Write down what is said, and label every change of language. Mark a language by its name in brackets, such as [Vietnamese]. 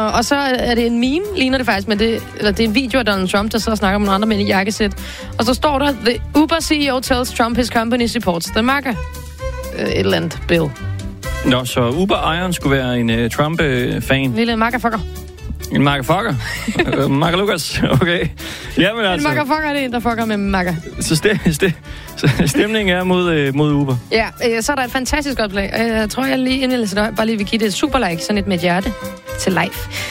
[Danish] Og så er det en meme, ligner det faktisk, men det er en video af Donald Trump, der sidder og snakker med nogle andre mænd i jakkesæt. Og så står der, [English] the Uber CEO tells Trump his company supports the MAGA. [Danish] Et eller andet, Bill. Nå, så Uber-ejeren skulle være en Trump-fan. Lille MAGA-fucker. En MAGA-fucker? MAGA Lucas, okay. Jamen altså. En MAGA-fucker er det en, der fucker med MAGA. Så stemningen er mod Uber. Ja, så er der et fantastisk oplæg. Jeg tror, jeg lige inden jeg læser det, bare lige vil give det et super like, sådan et med hjerte til Leif.